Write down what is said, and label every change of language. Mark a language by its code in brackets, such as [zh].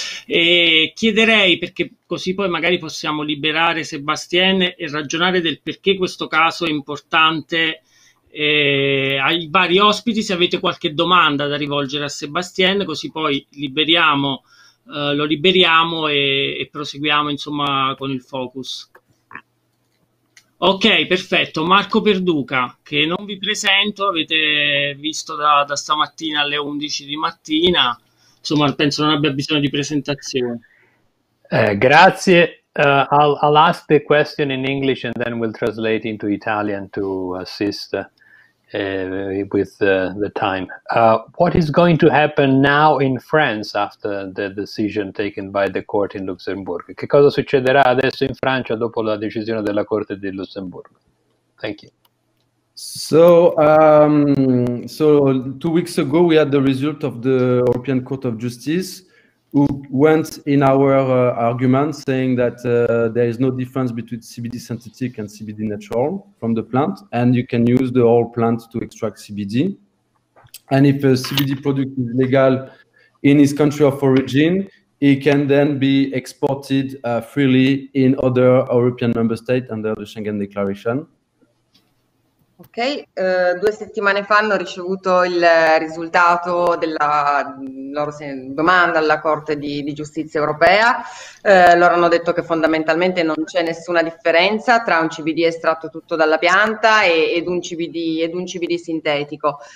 [it] e chiederei, perché così poi magari possiamo liberare Sebastien e ragionare del perché questo caso è importante, ai vari ospiti, se avete qualche domanda da rivolgere a Sebastien, così poi liberiamo lo liberiamo e proseguiamo insomma con il focus. Ok, perfetto. Marco Perduca, che non vi presento, avete visto da stamattina alle 11 di mattina, insomma penso non abbia bisogno di presentazione. Grazie. [en] I'll ask the question in English and then we'll translate into Italian to assist with the time. What is going to happen now in France after the decision taken by the court in Luxembourg? [it] Che cosa succederà adesso in Francia dopo la decisione della Corte di Lussemburgo? [en] Thank you. So 2 weeks ago we had the result of the European Court of Justice, who went in our argument saying that there is no difference between CBD synthetic and CBD natural from the plant, and you can use the whole plant to extract CBD. And if a CBD product is legal in his country of origin, it can then be exported freely in other European member states under the Schengen Declaration. [it] Ok, 2 settimane fa hanno ricevuto il risultato della loro domanda alla Corte di Giustizia Europea. Loro hanno detto che fondamentalmente non c'è nessuna differenza tra un CBD estratto tutto dalla pianta ed un CBD sintetico.